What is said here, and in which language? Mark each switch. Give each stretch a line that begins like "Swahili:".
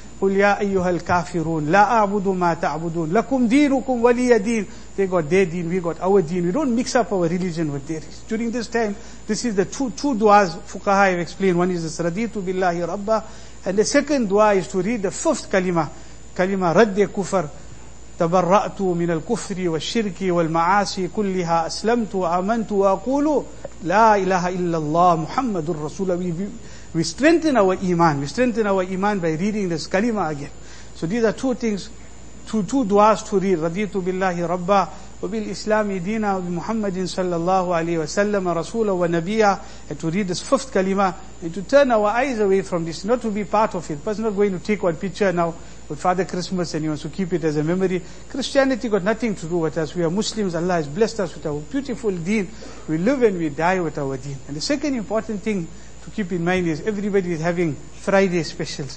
Arabic: قُلْ يَا أَيُّهَا الْكَافِرُونَ لَا أَعْبُدُ مَا تَعْبُدُونَ لَكُمْ دِينُكُمْ وَلِيَ دِينَ.
English: They got their deen, we got our deen. We don't mix up our religion with theirs. During this time, this is the two du'as fuqaha have explained. One is this,
Arabic: رَدِيتُ بِاللَّهِ رَبَّهِ.
English: And the second du'a is to read the fifth kalima,
Arabic: رَدِّ كُفَرْ. تبرأت من الكفر والشرك والمعاصي كلها أسلمت وآمنت وأقول لا إله إلا الله محمد الرسول.
English: We strengthen our iman. We strengthen our iman by reading this kalima again. So these are two things, two du'as to read.
Arabic: رضيت بالله ربا وبالإسلام دينا وبمحمد صلى الله عليه وسلم رسولا ونبيا.
English: And to read this fifth kalima and to turn our eyes away from this, not to be part of it. But it's not going to take one picture now with Father Christmas and he wants to keep it as a memory. Christianity got nothing to do with us. We are Muslims. Allah has blessed us with our beautiful deen. We live and we die with our deen. And the second important thing to keep in mind is everybody is having Friday specials.